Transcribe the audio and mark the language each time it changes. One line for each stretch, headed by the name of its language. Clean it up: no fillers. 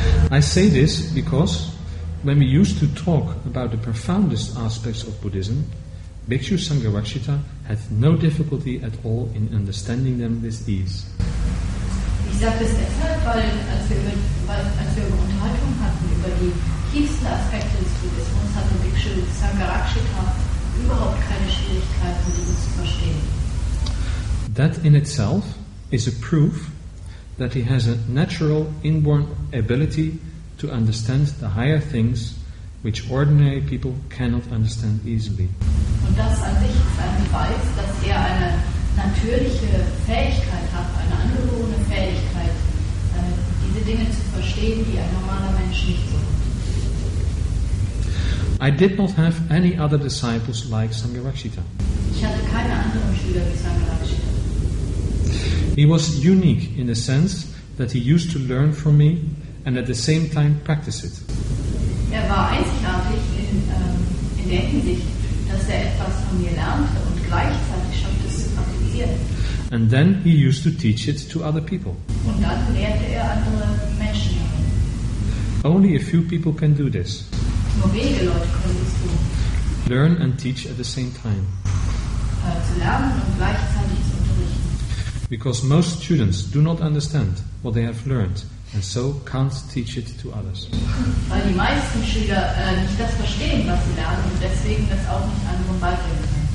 English: I say this because when we used to talk about the profoundest aspects of Buddhism, Bhikshu Sangharakshita had no difficulty at all in understanding them with ease.
German: Ich sage das deshalb, weil als wir über Unterhaltung hatten über die tiefsten Aspekte des Buddhismus, hatte Bhikshu Sangharakshita überhaupt keine Schwierigkeiten, diese zu verstehen.
English: That in itself is a proof that he has a natural inborn ability to understand the higher things which ordinary people cannot understand easily.
German: Und das an sich ist ein Beweis, dass er eine natürliche Fähigkeit hat, eine angeborene Fähigkeit, diese Dinge zu verstehen, die ein normaler Mensch nicht so hat.
English: I did not have any other disciples like Sangharakshita.
German: Ich hatte keine anderen Schüler wie Sangharakshita.
English: He was unique in the sense that he used to learn from me and at the same time practice it.
German: Er war einzigartig in der Hinsicht, dass er etwas von mir lernte und gleichzeitig schaffte es zu praktizieren.
English: And then he used to teach it to other people.
German: Und dann lehrte er andere Menschen.
English: Only a few people can do this.
German: Nur wenige Leute können das tun.
English: Learn and teach at the same time.
German: Zu lernen und gleichzeitig.
English: Because most students do not understand what they have learned and so can't teach it to others.
German: Weil die meisten Schüler nicht das verstehen, was sie lernen und deswegen das auch nicht anderen beibringen können.